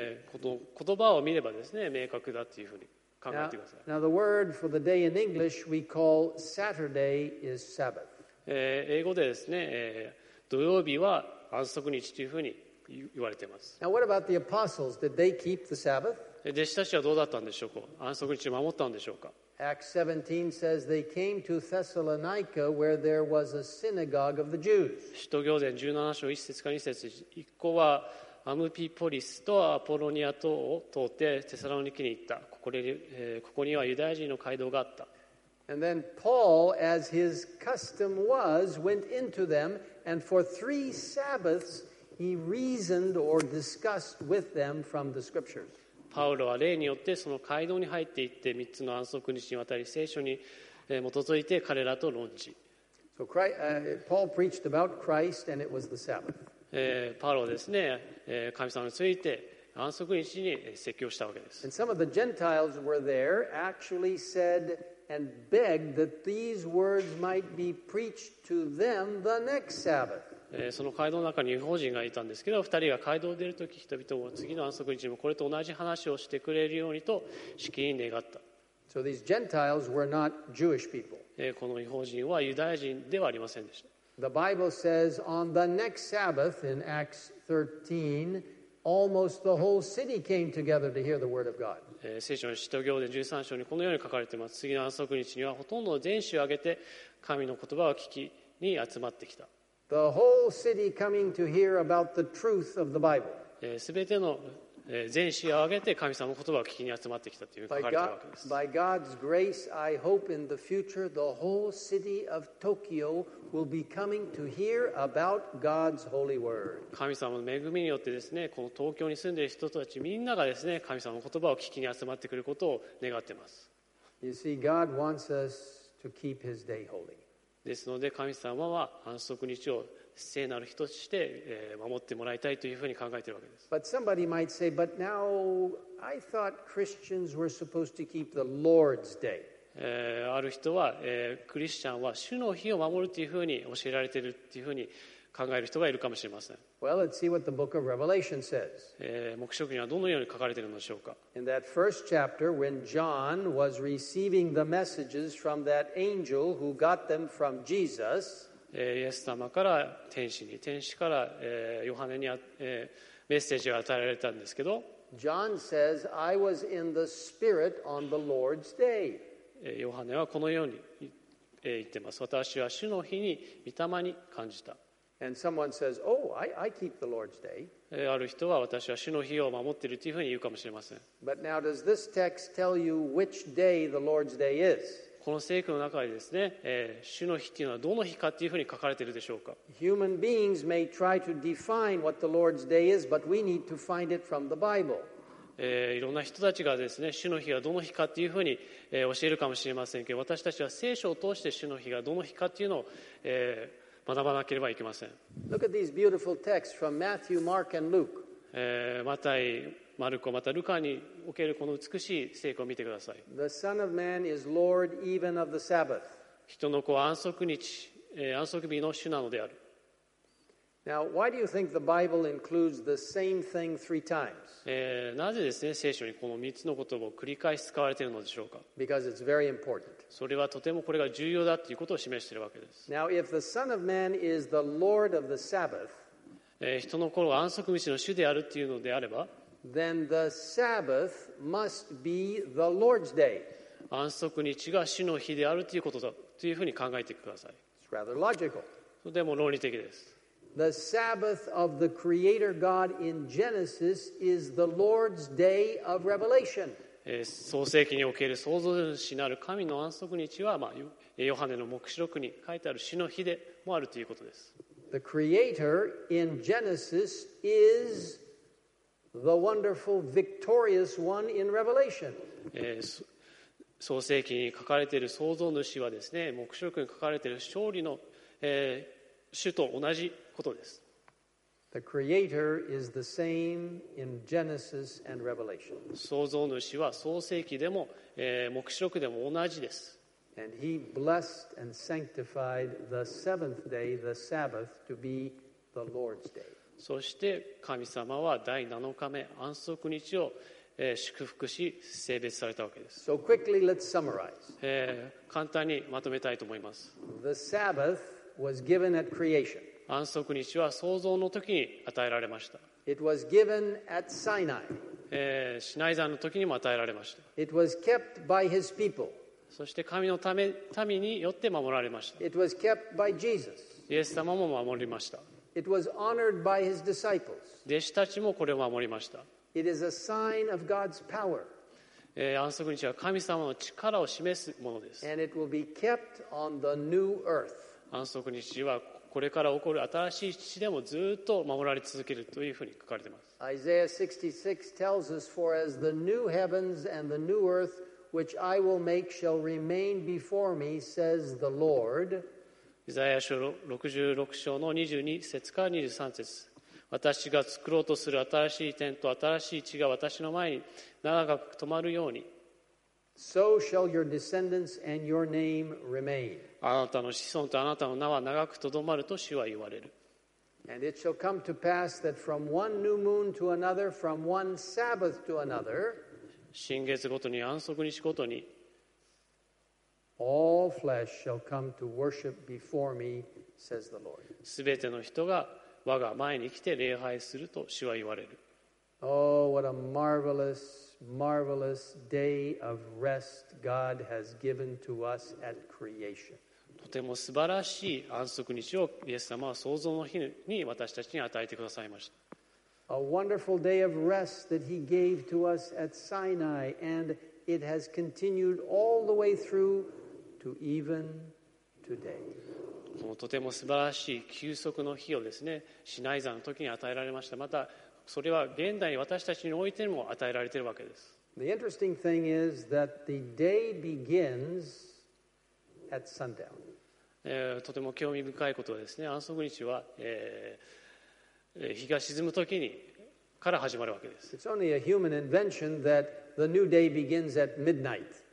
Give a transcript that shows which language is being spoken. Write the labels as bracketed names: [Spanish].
[Japanese] この言葉を見ればですね、明確だというふうに考えてください。 [English] Now the word for the day in English we call Saturday is Sabbath. [Japanese] 英語でですね、土曜日は安息日というふうに言われています。 [English] Now, what about the apostles? Did they keep the Sabbath? [Japanese] 弟子たちはどうだったんでしょうか。安息日守ったんでしょうか。 [English] Acts 17 says they came to Thessalonica where there was a synagogue of the Jews. [Japanese] 使徒行伝17章1節か2節、一行はアムピポリスとアポロニア等を通ってテサロニキに行った。ここにはユダヤ人の街道があった。 [English] And then Paul, as his custom was, went into them and for three Sabbaths,He reasoned or discussed with them from the scriptures. [Japanese] パウロは例によってその街道に入っていって三つの安息日にわたり聖書に基づいて彼らと論じ。 [English] So Christ, Paul preached about Christ and it was the Sabbath. [Japanese] パウロはですね、神様について安息日に説教したわけです。 [English] And some of the Gentiles were there, actually said and begged that these words might be preached to them the next Sabbath. [Japanese] その街道の中に違法人がいたんですけど、二人が街道を出るとき、人々も次の安息日もこれと同じ話をしてくれるようにとしきりに願った。 [English] So these Gentiles were not Jewish people. [Japanese] この違法人はユダヤ人ではありませんでした。 [English] The Bible says on the next Sabbath in Acts 13, almost the whole city came together to hear the word of God. [Japanese] 聖書の使徒行伝13章にこのように書かれています。次の安息日にはほとんど全市を挙げて神の言葉を聞きに集まってきた。 [English] The whole city coming to hear about the truth of the Bible. [Japanese] すべての全市を挙げて神様の言葉を聞きに集まってきたというふうに書かれているわけです。 [English] By God's grace, I hope in the future the whole city of Tokyo will be coming to hear about God's holy word. [Japanese] 神様の恵みによってですね、この東京に住んでいる人たちみんながですね、神様の言葉を聞きに集まってくることを願っています。 [English] You see, God wants us to keep His day holy. [Japanese] ですので神様は安息日を聖なる日として守ってもらいたいというふうに考えているわけです。 [English] But somebody might say, but now I thought Christians were supposed to keep the Lord's day. [Japanese] ある人は、クリスチャンは主の日を守るというふうに教えられているというふうに考える人がいるかもしれません。 [English] Well, let's see what the book of Revelation says. [Japanese] 黙示録にはどのように書かれているのでしょうか。 [English] In that first chapter, when John was receiving the messages from that angel who got them from Jesus, [Japanese] イエス様から天使に、天使から、ヨハネに、メッセージが与えられたんですけど、 [English] John says, I was in the Spirit on the Lord's day. [Japanese] ヨハネはこのように言ってます。私は主の日に御霊に感じた。 [English] And someone says, "Oh, I keep the Lord's day." [Japanese] ある人は私は主の日を守っているというふうに言うかもしれません。 [English] But now, does this text tell you which day the Lord's day is? [Japanese] この聖句の中でですね、主の日というのはどの日かというふうに書かれているでしょうか。 [English] Human beings may try to define what the Lord's day is, but we need to find it from the Bible. [Japanese] いろんな人たちがですね、主の日はどの日かというふうに、教えるかもしれませんけど、私たちは聖書を通して主の日がどの日かというのを、学ばなければいけません。 [English] Look at these beautiful texts from Matthew, Mark, and Luke. [Japanese] マタイ、マルコ、またルカにおけるこの美しい聖句を見てください。 [English] The Son of Man is Lord even of the Sabbath. [Japanese] 人の子は安息日、安息日の主なのである。 [English] Now, why do you think the Bible includes the same thing three times? [Japanese] なぜですね、聖書にこの3つの言葉を繰り返し使われているのでしょうか。 [English] Because it's very important. [Japanese] それはとてもこれが重要だということを示しているわけです。 [English] Now, if the Son of Man is the Lord of the Sabbath, [Japanese] 人の子が安息日の主であるというのであれば、 [English] then the Sabbath must be the Lord's day. [Japanese] 安息日が主の日であるということだというふうに考えてください。 [English] It's rather logical. [Japanese] でも論理的です。 [English] The Sabbath of the Creator God in Genesis is the Lord's Day of Revelation. [Japanese] 創世記における創造主なる神の安息日は、ヨハネの黙示録に書いてある主の日でもあるということです。 [English] The Creator in Genesis is the wonderful victorious one in Revelation. [Japanese] 創世記に書かれている創造主はですね、黙示録に書かれている勝利の、主と同じことです。 [English] The Creator is the same in Genesis and Revelation. [Japanese] 創造主は創世記でも、黙示録でも同じです。 [English] And He blessed and sanctified the seventh day, the Sabbath, to be the Lord's day. [Japanese] そして神様は第7日目安息日を、祝福し聖別されたわけです。 [English] So quickly, let's summarize. [Japanese] 簡単にまとめたいと思います。 [English] The Sabbath was given at creation. [Japanese] 安息日は創造の時に与えられました。 [English] It was given at Sinai. [Japanese] シナイ山の時にも与えられました。 [English] It was kept by his people. [Japanese] そして神のため、民によって守られました。 [English] It was kept by Jesus. [Japanese] イエス様も守りました。 [English] It was honored by his disciples. [Japanese] 弟子たちもこれを守りました。 [English] It is a sign of God's power. [Japanese] 安息日は神様の力を示すものです。 [English] And it will be kept on the new earth. [Japanese] 安息日はこれから起こる新しい地でもずっと守られ続けるというふうに書かれています。 [English] Isaiah 66 tells us, For as the new heavens and the new earth which I will make shall remain before me, says the Lord. [Japanese] イザヤ書66章の22節から23節。私が作ろうとする新しい天と新しい地が私の前に長く留まるように。 [English] So shall your descendants and your name remain. [Japanese] あなたの子孫とあなたの名は長くとどまると主は言われる。 [English] And it shall come to pass that from one new moon to another, from one Sabbath to another, [Japanese] 新月ごとに安息日ごとに、 [English] all flesh shall come to worship before me, says the Lord. [Japanese] すべての人が我が前に来て礼拝すると主は言われる。 [English] Oh, what a marvelous, marvelous day of rest God has given to us at creation. [Japanese] とても素晴らしい安息日をイエス様は創造の日に私たちに与えてくださいました。 [English] A wonderful day of rest that he gave to us at Sinai, and it has continued all the way through to even today. [Japanese] このとても素晴らしい休息の日をですね、シナイ山の時に与えられました。またそれは現代に私たちにおいても与えられているわけです。 [English] The interesting thing is that the day begins at sundown. [Japanese] とても興味深いことはですね、安息日は、日が沈む時にから始まるわけです。 [English] It's only a human invention that the new day begins at midnight.